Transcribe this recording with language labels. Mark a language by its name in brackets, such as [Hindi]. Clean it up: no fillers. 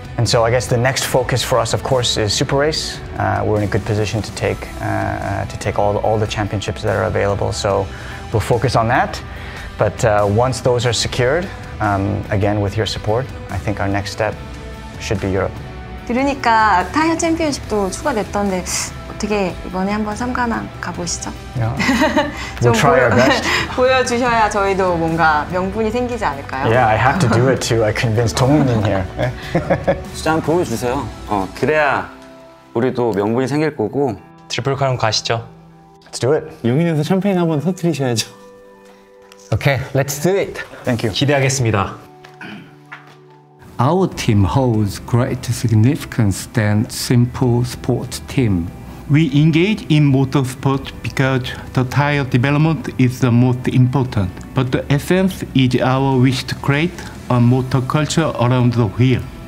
[English] And so I guess the next focus for us, of course, is Super Race. We're in a good position to take all the championships that are available. So we'll focus on that. But once those are secured, again, with your support, I think our next step should be Europe. [Korean] 들으니까 타이어 챔피언십도 추가됐던데 어떻게 이번에 한번 삼가나 가보시죠? [English] Yeah. We'll try our best. [Korean] 보여주셔야 저희도 뭔가 명분이 생기지 않을까요? [English] Yeah, I have to do it to convince 동훈님 here. [Korean] 진짜 한번 보여주세요. 그래야 우리도 명분이 생길 거고. 트리플 크라운 가시죠. [English] Let's do it. [Korean] 용인에서 샴페인 한번 터뜨리셔야죠. [English] Okay, let's do it. Thank you. [Korean] 기대하겠습니다. [English] Our team holds greater significance than simple sports team. We engage in motorsport because the tire development is the most important, but the essence is our wish to create a motor culture around the wheel.